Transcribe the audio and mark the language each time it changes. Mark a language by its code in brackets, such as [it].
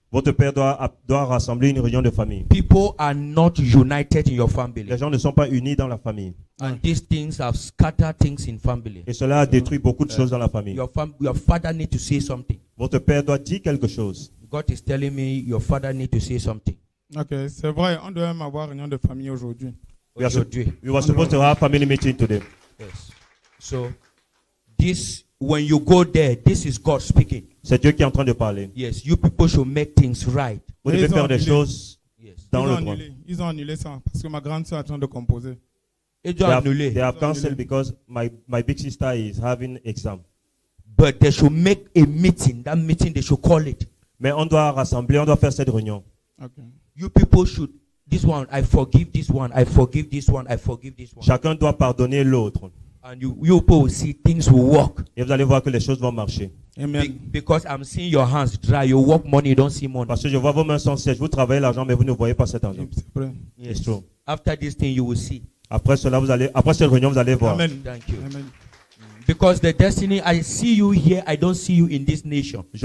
[fr] Votre père doit rassembler une réunion de famille. [en] People are not united in your family. [fr] Les gens ne sont pas unis dans la famille. [en] And these things have scattered things in family. [fr] Et cela a détruit beaucoup de choses dans la famille. [en] Your father need to say something. [fr] Votre père doit dire quelque chose. [en] God is telling me your father need to say something. [fr] Okay, c'est vrai, on doit même avoir une réunion de famille aujourd'hui. [en] We were supposed to have a family meeting today. Yes. So, this, when you go there, this is God speaking. [fr] C'est Dieu qui est en train de parler. [en] Yes, you people should make things right. [fr] Vous devez faire des choses dans le droit. Ils ont annulé ça parce que ma grande sœur est en train de composer. Ils ont annulé. [en] They have canceled because my big sister is having exam. But they should make a meeting. That meeting they should call it. [fr] Mais on doit rassembler, on doit faire cette réunion. [en] Okay. You people should. This one, I forgive this one. I forgive this one. I forgive this one. [fr] Chacun doit pardonner l'autre. [en] And you people will see things will work. [fr] Et vous allez voir que les choses vont marcher. [en] Amen. Because I'm seeing your hands dry. You work money, you don't see money. [fr] Parce que je vois vos mains sans sèche. Vous travaillez l'argent, mais vous ne voyez pas cet argent. [en] Yes. It's true. After this thing, you will see. [fr] Après cela, vous allez. Après cette réunion, vous allez voir. [en] Amen. Thank you. Amen. Because the destiny, I see you here. I don't see you in this nation.